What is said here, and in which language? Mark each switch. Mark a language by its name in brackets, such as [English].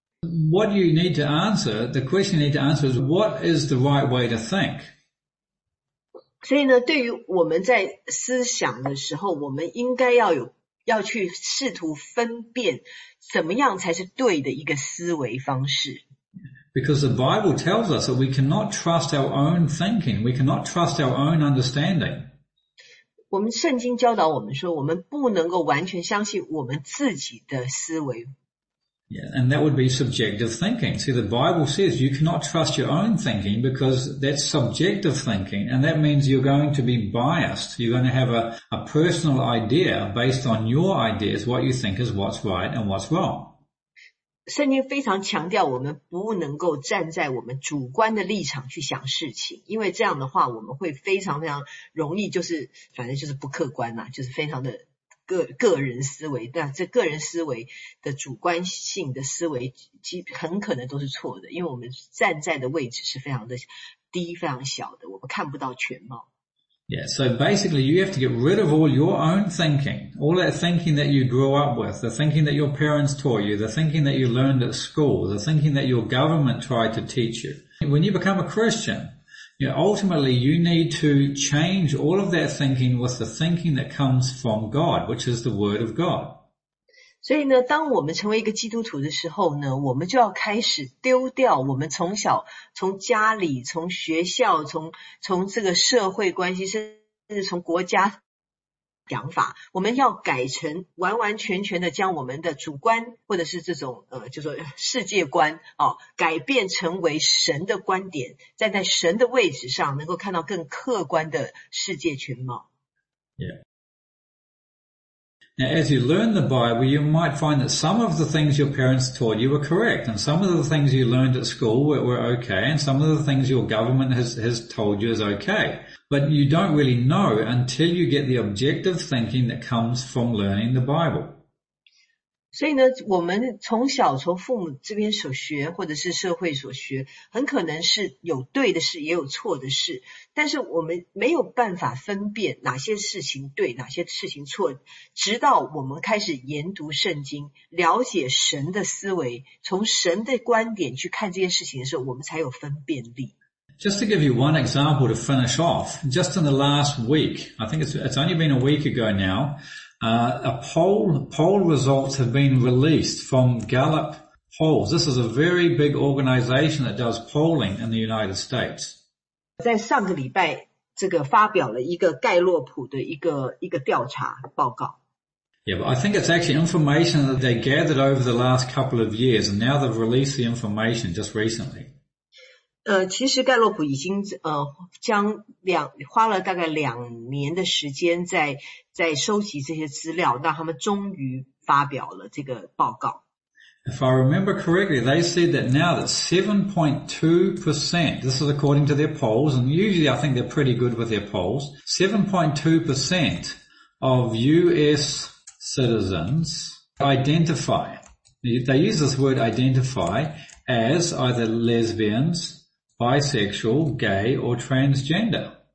[English] What you need to answer, the question you need to answer is what is the right way to think? [Chinese] 所以呢，对于我们在思想的时候，我们应该要去试图分辨怎么样才是对的一个思维方式。 [English] Because the Bible tells us that we cannot trust our own thinking, we cannot trust our own understanding. [Chinese] 我们圣经教导我们说，我们不能够完全相信我们自己的思维。 [English] Yeah, and that would be subjective thinking. See, the Bible says you cannot trust your own thinking because that's subjective thinking, and that means you're going to be biased. You're going to have a personal idea based on your ideas, what you think is what's right and what's wrong. [Chinese] 圣经非常强调我们不能够站在我们主观的立场去想事情，因为这样的话我们会非常非常容易就是反正就是不客观啦，就是非常的个人思维，那这个人思维的主观性的思维很可能都是错的，因为我们站在的位置是非常的低非常小的，我们看不到全貌。 [English] Yeah, so basically you have to get rid of all your own thinking, all that thinking that you grew up with, the thinking that your parents taught you, the thinking that you learned at school, the thinking that your government tried to teach you. When you become a Christian,You know, ultimately, you need to change all of that thinking with the thinking that comes from God, which is the Word of God. [Chinese] 所以呢，当我们成为一个基督徒的时候呢，我们就要开始丢掉我们从小、从家里、从学校、从这个社会关系，甚至从国家想法，我们要改成完完全全的将我们的主观或者是这种就说世界观改变成为神的观点，站在神的位置上能够看到更客观的世界全貌。 [English] Yeah. Now as you learn the Bible, you might find that some of the things your parents taught you were correct, and some of the things you learned at school were okay, and some of the things your government has told you is okay. But you don't really know until you get the objective thinking that comes from learning the Bible. [Chinese] 所以呢，我们从小从父母这边所学，或者是社会所学，很可能是有对的事，也有错的事。但是我们没有办法分辨哪些事情对，哪些事情错，直到我们开始研读圣经，了解神的思维，从神的观点去看这件事情的时候，我们才有分辨力。 [English] Just to give you one example to finish off, just in the last week, I think it's only been a week ago now, a poll results have been released from Gallup Polls. This is a very big organization that does polling in the United States. [Chinese] 在上个礼拜这个发表了一个盖洛普的一个调查报告。 [English] Yeah, but I think it's actually information that they gathered over the last couple of years, and now they've released the information just recently. [Chinese] 其实盖洛普已经将两花了大概两年的时间在收集这些资料，那他们终于发表了这个报告。 [English] If I remember correctly, they said that now that 7.2%, this is according to their polls, and usually I think they're pretty good with their polls, 7.2% of US citizens identify, they use this word identify as either lesbians, bisexual, gay, or transgender.